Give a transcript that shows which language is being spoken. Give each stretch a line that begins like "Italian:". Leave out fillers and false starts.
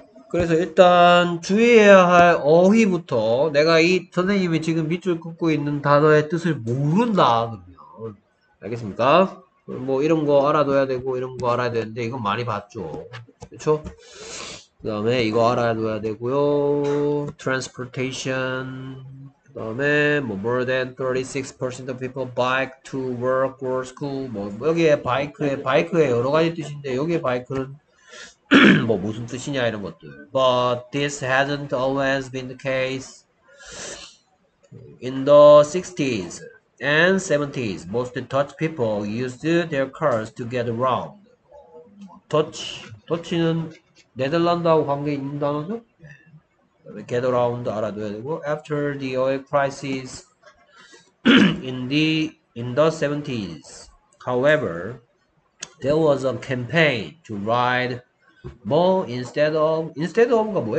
Korean: 그래서 일단 주의해야 할 어휘부터 내가 이 선생님이 지금 밑줄 긋고 있는 단어의 뜻을 모른다 그러면 알겠습니까? 뭐 이런 거 알아둬야 되고 이런 거 알아야 되는데 이건 많이 봤죠. 그렇죠? 그 다음에 이거 알아둬야 되고요.
English: Transportation.
Korean: 그 다음에 뭐
English: more than 36% of people bike to work or school.
Korean: 뭐 여기에 바이크에 여러 가지 뜻인데 여기에 바이크는 뭐 무슨 뜻이냐 이런 것들.
English: But this hasn't always been the case. In the 60s and 70s, most Dutch people used their cars to get around.
Korean: Dutch는 네덜란드하고 관계 있는 단어죠?
English: Get around
Korean: 알아둬야 되고
English: After the oil crisis in the 70s However, there was a campaign to ride more instead of가
Korean: 뭐예요?